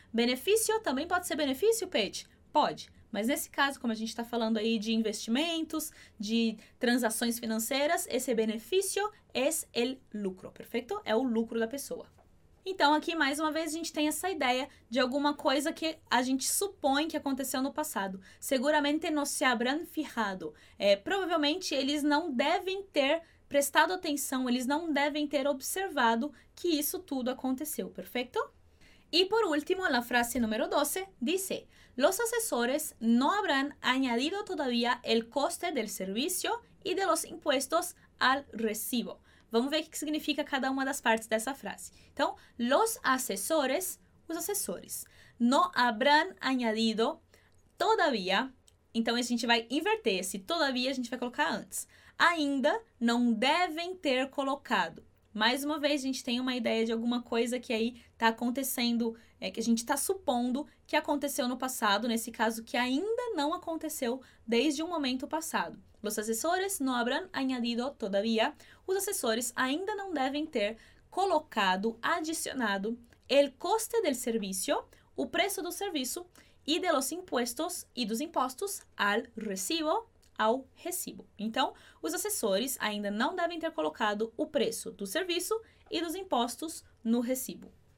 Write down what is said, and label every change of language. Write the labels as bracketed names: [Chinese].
[Portuguese] Benefício também pode ser benefício, Paige? Pode. Mas nesse caso, como a gente está falando aí de investimentos, de transações financeiras, esse benefício é o lucro, perfeito? É o lucro da pessoa. Então, aqui, mais uma vez, a gente tem essa ideia de alguma coisa que a gente supõe que aconteceu no passado. [Spanish] Seguramente no se habrán fijado. [Portuguese] Provavelmente, eles não devem ter prestado atenção, eles não devem ter observado que isso tudo aconteceu, perfeito? E, por último, a frase número 12, diz... [Spanish] Los asesores no habrán añadido todavía el coste del servicio y de los impuestos al recibo. [Portuguese] Vamos ver o que significa cada uma das partes dessa frase. Então, [Spanish] los asesores, [Portuguese] os assessores, [Spanish] no habrán añadido todavía. [Portuguese] Então, a gente vai inverter esse todavía, a gente vai colocar antes. Ainda não devem ter colocado. Mais uma vez, a gente tem uma ideia de alguma coisa que aí está acontecendo, que a gente está supondo que aconteceu no passado, nesse caso que ainda não aconteceu desde um momento passado. [Spanish] Los asesores no habrán añadido todavía. [Portuguese] Os assessores ainda não devem ter colocado, adicionado, [Spanish] el coste del servicio, [Portuguese] o preço do serviço, [Spanish] y de los impuestos, [Portuguese] e dos impostos, [Spanish] al recibo, [Portuguese] ao recibo. Então, os assessores ainda não devem ter colocado o preço do serviço e dos impostos no recibo.